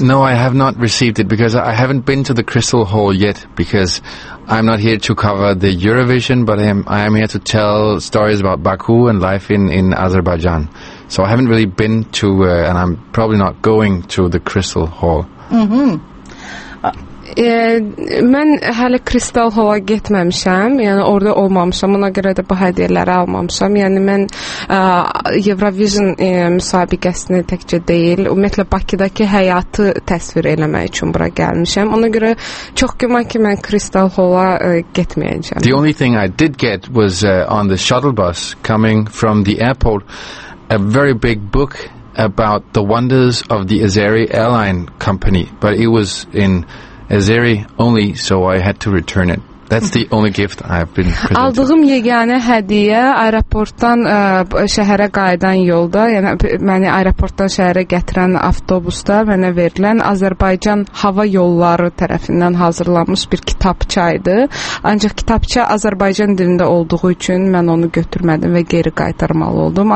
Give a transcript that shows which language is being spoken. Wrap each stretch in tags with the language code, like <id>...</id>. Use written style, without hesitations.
<en>No, I have not received it because I haven't been to the Crystal Hall yet because I'm not here to cover the Eurovision, but I am here to tell stories about Baku and life in Azerbaijan. So I haven't really been to, and I'm probably not going to the Crystal Hall.</en> <az>Mən hələ Kristal Hall-a getməmişəm, yəni orada olmamışam, ona görə də bu hədiyələri almamışam. Yəni mən Eurovision müsabiqəsini təkcə deyil, ümumiyyətlə Bakıdakı həyatı təsvir eləmək üçün bura gəlmişəm. Ona görə çox güman ki, mən Kristal Hall-a getməyəcəm.</az> <en>The only thing I did get was on the shuttle bus coming from the airport, a very big book about the wonders of the Azeri Airline Company, but it was in Azeri only, so I had to return it. That's the only gift I have been presented.</en> <az>Aldığım yeganə hədiyyə aeroportdan şəhərə qayıdan yolda, yəni məni aeroportdan şəhərə gətirən avtobusda mənə verilən Azərbaycan Hava Yolları tərəfindən hazırlanmış bir kitabçaydı. Ancaq kitabça Azərbaycan dilində olduğu üçün mən onu götürmədim və geri qaytarmalı oldum.</az>